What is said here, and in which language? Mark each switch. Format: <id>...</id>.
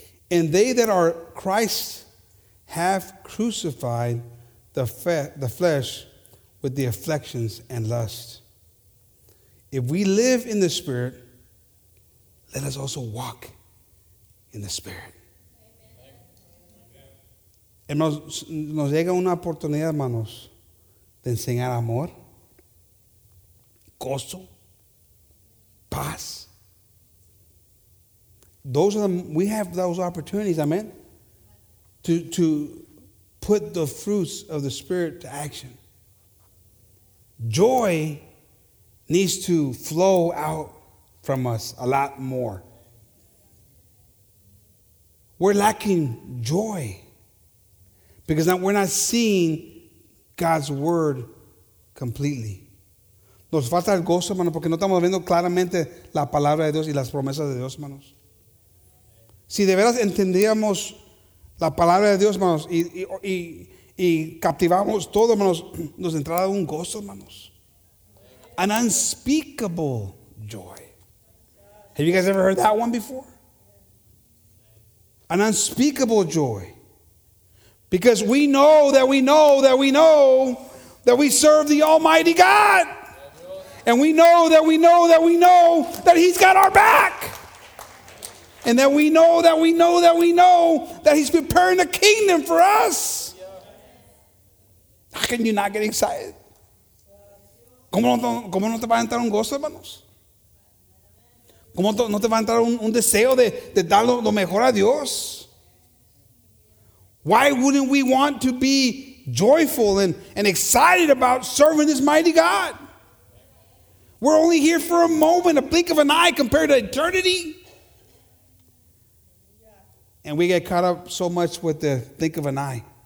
<en>And they that are Christ's have crucified the flesh with the afflictions and lusts. If we live in the Spirit, let us also walk in the Spirit.</en> <es>Hermanos, nos llega una oportunidad, hermanos, de enseñar amor, gozo, paz.</es> <en>Those are we have those opportunities, amen, to put the fruits of the Spirit to action. Joy needs to flow out from us a lot more. We're lacking joy because we're not seeing God's word completely.</en> <es>Nos falta el gozo, hermano, porque no estamos viendo claramente la palabra de Dios y las promesas de Dios, hermanos. Si de veras entendíamos la palabra de Dios, hermanos, y captivamos todo, hermanos, nos entrará un gozo, hermanos.</es> <en>An unspeakable joy. Have you guys ever heard that one before? An unspeakable joy. Because we know that we know that we know that we serve the Almighty God. And we know that we know that we know that He's got our back. And that we know that we know that we know that He's preparing a kingdom for us. How can you not get excited?</en> <es>¿Cómo no te va a entrar un gozo, hermanos? ¿Cómo no te va a entrar un deseo de dar lo mejor a Dios?</es> <en>Why wouldn't we want to be joyful and excited about serving this mighty God? We're only here for a moment, a blink of an eye compared to eternity. And we get caught up so much with the blink of an eye.</en>